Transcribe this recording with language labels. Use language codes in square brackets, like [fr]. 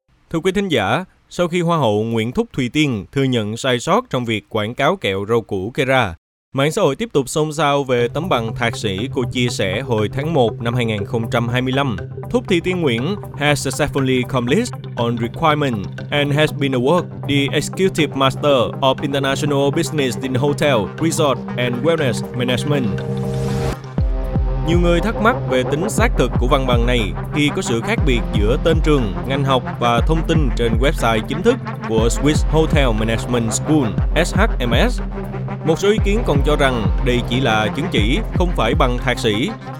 [vi] Thưa quý thính giả, sau khi Hoa hậu Nguyễn Thúc Thùy Tiên thừa nhận sai sót trong việc quảng cáo kẹo rau củ Kera, mạng xã hội tiếp tục xôn xao về tấm bằng thạc sĩ cô chia sẻ hồi tháng 1 năm 2025. [en] Thúc Thùy Tiên Nguyễn has successfully completed on requirement and has been awarded the Executive Master of International Business in Hotel, Resort and Wellness Management. [vi] Nhiều người thắc mắc về tính xác thực của văn bằng này khi có sự khác biệt giữa tên trường, ngành học và thông tin trên website chính thức của Swiss Hotel Management School, SHMS. Một số ý kiến còn cho rằng đây chỉ là chứng chỉ, không phải bằng thạc sĩ.